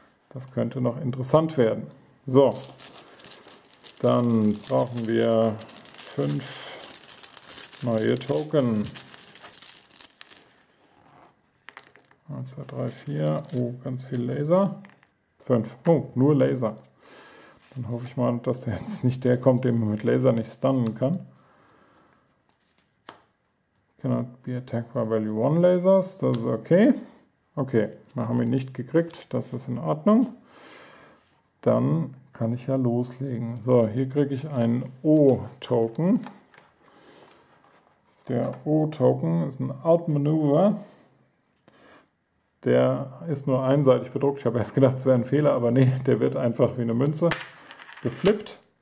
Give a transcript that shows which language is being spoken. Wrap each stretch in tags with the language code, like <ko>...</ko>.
<de>Das könnte noch interessant werden. So, dann brauchen wir 5 neue Token. 1, 2, 3, 4. Oh, ganz viel Laser. 5. Oh, nur Laser. Dann hoffe ich mal, dass jetzt nicht der kommt, den man mit Laser nicht stunnen kann.</de> <en>Cannot be attacked by value 1 Lasers.</en> <de>Das ist okay. Okay, dann haben wir ihn nicht gekriegt. Das ist in Ordnung. Dann kann ich ja loslegen. So, hier kriege ich einen O-Token. Der O-Token ist ein Outmaneuver. Der ist nur einseitig bedruckt. Ich habe erst gedacht, es wäre ein Fehler, aber nee, der wird einfach wie eine Münze geflippt.</de>